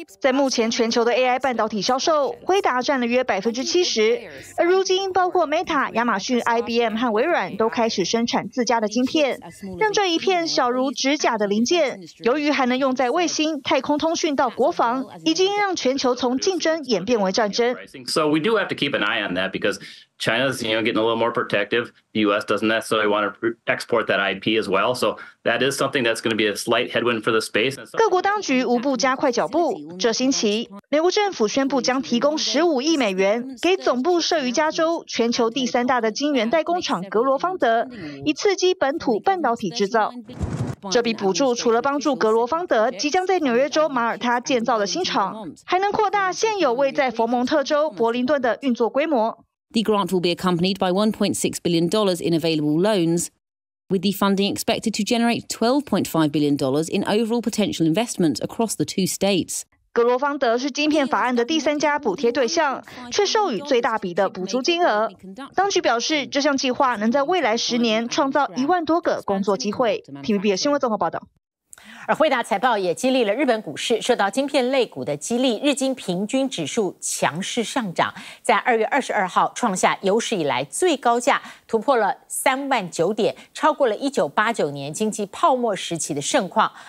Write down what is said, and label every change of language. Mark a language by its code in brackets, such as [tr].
[zh] 在目前全球的 AI 半导体销售，辉达占了约 70%， 而如今包括 Meta、亚马逊、IBM 和微软都开始生产自家的晶片，让这一片小如指甲的零件，由于还能用在卫星、太空通讯到国防，已经让全球从竞争演变为战争。 [en] So we do have to keep an eye on that because China's, you know, getting a little more protective. The U.S. doesn't necessarily want to export that IP as well. So that is something that's going to be a slight headwind for the space. [zh] 各国当局无不加快脚步。这星期，美国政府宣布将提供$150亿给总部设于加州、全球第三大的晶圆代工厂格罗方德，以刺激本土半导体制造。这笔补助除了帮助格罗方德即将在纽约州马耳他建造的新厂，还能扩大现有位在佛蒙特州柏林顿的运作规模。 [en] The grant will be accompanied by $1.6 billion in available loans, with the funding expected to generate $12.5 billion in overall potential investment across the two states. [zh] 格罗方德是晶片法案的第三家补贴对象，却授予最大笔的补助金额。当局表示，这项计划能在未来十年创造10,000多个工作机会。 TVBS 新闻综合报道。而辉达财报也激励了日本股市，受到晶片类股的激励，日经平均指数强势上涨，在2月22号创下有史以来最高价，突破了39,000点，超过了1989年经济泡沫时期的盛况。